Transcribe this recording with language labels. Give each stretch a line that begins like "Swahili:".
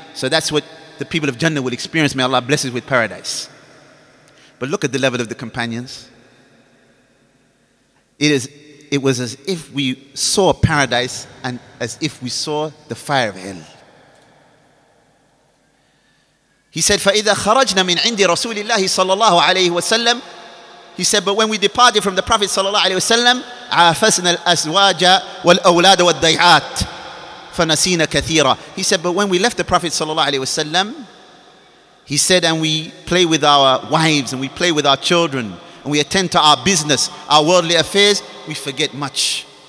English: So that's what the people of Jannah will experience. May Allah bless us with paradise. But look at the level of the companions. It was as if we saw paradise and as if we saw the fire of hell. He said,
Arabic: فَإِذَا خَرَجْنَا مِنْ عِنْدِ رَسُولِ اللَّهِ صَلَّى اللَّهُ عَلَيْهِ وَسَلَّمُ.
English: He said, but when we departed from the Prophet sallallahu alaihi wasallam,
Arabic: عَافَسْنَا الْأَزْوَاجَ وَالْأَوْلَادَ وَالْضَيْعَاتِ فَنَسِينَا كَثِيرًا.
English: He said, but when we left the Prophet sallallahu alaihi wasallam, he said, and we play with our wives and we play with our children and we attend to our business, our worldly affairs, we forget much.